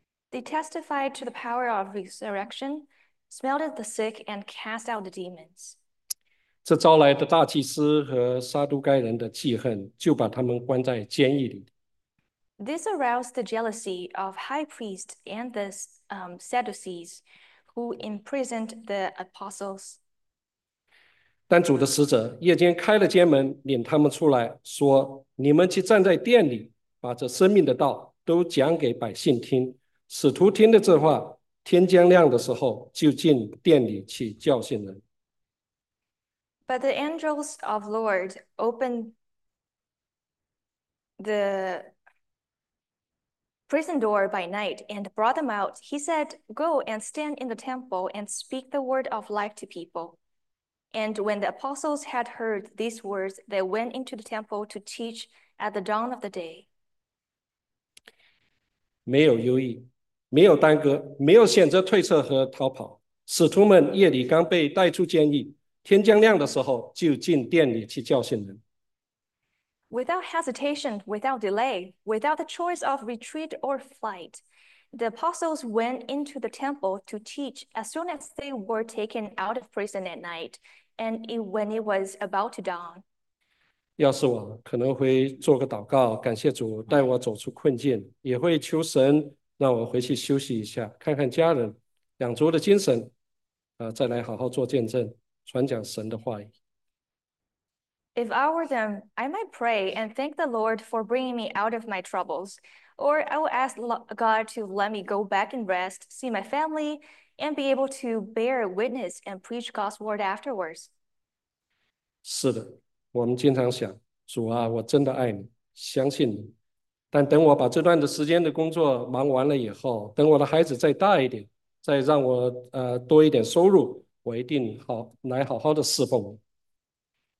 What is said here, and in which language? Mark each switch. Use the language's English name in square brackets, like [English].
[English] They testified to the power of resurrection, smelled the sick, and cast out the demons. [Chinese] 这招来的大祭司和撒都该人的记恨，就把他们关在监狱里。 [English] This aroused the jealousy of high priests and the Sadducees, who imprisoned the apostles. [Chinese] 但主的使者夜间开了监门，领他们出来，说：“你们去站在殿里，把这生命的道都讲给百姓听。使徒听了这话，天将亮的时候，就进殿里去教训人。 [English] But the angels of Lord opened the prison door by night and brought them out. He said, Go and stand in the temple and speak the word of life to people. And when the apostles had heard these words, they went into the temple to teach at the dawn of the day. [Chinese] 没有犹豫，没有耽搁，没有选择退撤和逃跑。使徒们夜里刚被带出监狱，天将亮的时候就进殿里去教训人。 [English] Without hesitation, without delay, without the choice of retreat or flight, the apostles went into the temple to teach as soon as they were taken out of prison at night and when it was about to dawn. [Chinese] 要是我可能会做个祷告，感谢主带我走出困境，也会求神让我回去休息一下，看看家人，养足了精神，再来好好做见证，传讲神的话语。 [English] If I were them, I might pray and thank the Lord for bringing me out of my troubles, or I will ask God to let me go back and rest, see my family, and be able to bear witness and preach God's word afterwards. [Chinese] 是的。我们经常想，主啊，我真的爱你，相信你。但等我把这段的时间的工作忙完了以后，等我的孩子再大一点，再让我多一点收入，我一定好来好好的侍奉你。